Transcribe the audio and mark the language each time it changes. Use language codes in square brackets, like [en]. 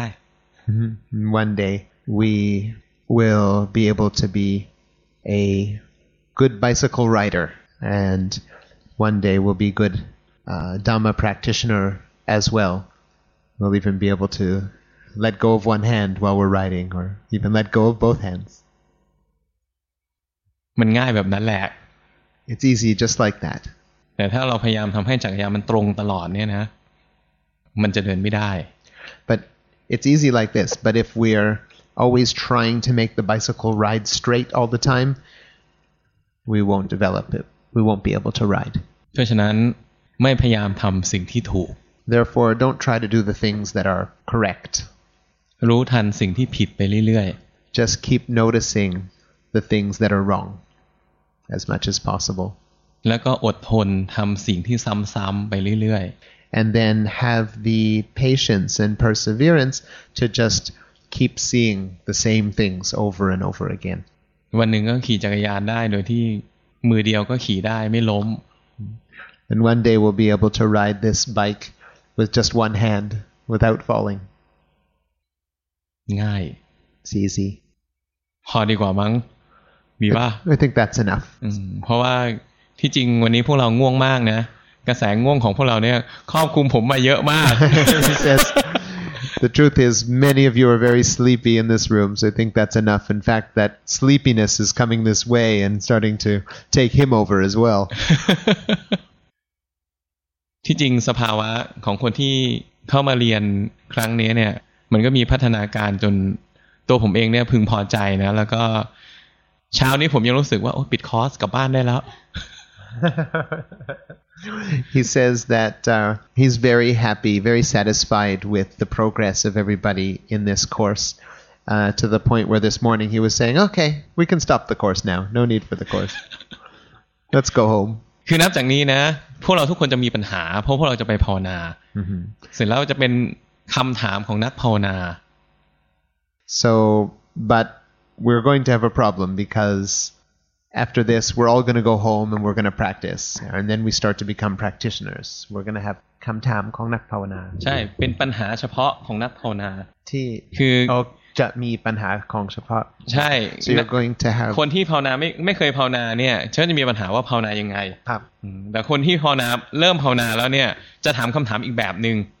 [en] One day we will be able to be a good bicycle rider andOne day we'll be good Dhamma practitioner as well. We'll even be able to let go of one hand while we're riding or even let go of both hands. [th] มันง่ายแบบนั้นแหละ [en] It's easy just like that. [th] แต่ถ้าเราพยายามทำให้จักรยานมันตรงตลอดเนี่ยนะมันจะเดินไม่ได้ [en] But it's easy like this. But if we're always trying to make the bicycle ride straight all the time, we won't develop it. We won't be able to ride. [th] เพราะฉะนั้นไม่พยายามทำสิ่งที่ถูก [en] Therefore, don't try to do the things that are correct. [th] รู้ทันสิ่งที่ผิดไปเรื่อย [en] ๆ Just keep noticing the things that are wrong as much as possible. [th] แล้วก็อดทนทำสิ่งที่ซ้ำๆไปเรื่อย [en] ๆ And then have the patience and perseverance to just keep seeing the same things over and over again. [th] วันหนึ่งก็ขี่จักรยานได้โดยที่มือเดียวก็ขี่ได้ไม่ล้ม [en] And one day we'll be able to ride this bike with just one hand without falling. [th] ง่าย [en] It's easy. [th] พอดีกว่ามั้งมีป่ะ [en] I think that's enough. [th] เพราะว่าที่จริงวันนี้พวกเราง่วงมากนะกระแสง่วงของพวกเราเนี่ยครอบคลุมผมมาเยอะมาก [en] Yes. The truth is many of you are very sleepy in this room so I think that's enough in fact that sleepiness is coming this way and starting to take him over as well [th] ที่จริงสภาวะของคนที่เข้ามาเรียนครั้งนี้เนี่ยมันก็มีพัฒนาการจนตัวผมเองเนี่ยพึงพอใจนะแล้วก็เช้านี้ผมยังรู้สึกว่าโอ้ปิดคอร์สกลับบ้านได้แล้ว [en] He says that he's very happy, very satisfied with the progress of everybody in this course to the point where this morning he was saying, okay, we can stop the course now. No need for the course. Let's go home. [th] คือนับจากนี้นะพวกเราทุกคนจะมีปัญหาเพราะพวกเราจะไปภาวนาเสร็จแล้วจะเป็นคำถามของนักภาวนา [en] So, but we're going to have a problem becauseAfter this, we're all going to go home and we're going to practice. And then we start to become practitioners. We're going to have [th] คำถามของนักภาวนา ใช่เป็นปัญหาเฉพาะของนักภาวนา ที่ คือ จะมีปัญหาของเฉพาะ ใช่ [en] So you're going to have [th] คนที่ภาวนาไม่เคยภาวนาเนี่ยจะมีปัญหาว่าภาวนายังไง ครับ แต่คนที่ภาวนาเริ่มภาวนาแล้วเนี่ยจะถามคำถามอีกแบบนึง